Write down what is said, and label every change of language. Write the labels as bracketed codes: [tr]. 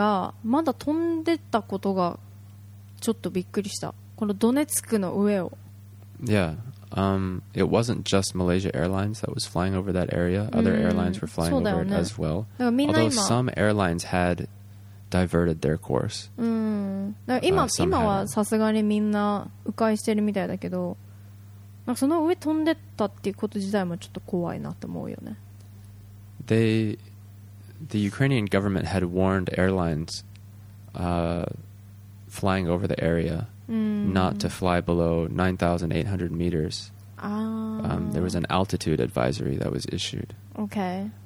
[ja] でも不思議なのはさ、このエリアを旅客機がまだ飛んでたことが ちょっとびっくりした。このドネツクの上を。 [en] Yeah. It wasn't just Malaysia Airlines that was flying over that area. Other airlines were flying over it as well. Although some airlines had diverted their course. [ja] だから今はさすがにみんな迂回してるみたいだけど、その上飛んでったっていうこと自体もちょっと怖いなって思うよね。 [en] The Ukrainian government had warned airlines flying over the area not to fly below 9,800 meters. There was an altitude advisory that was issued. Okay.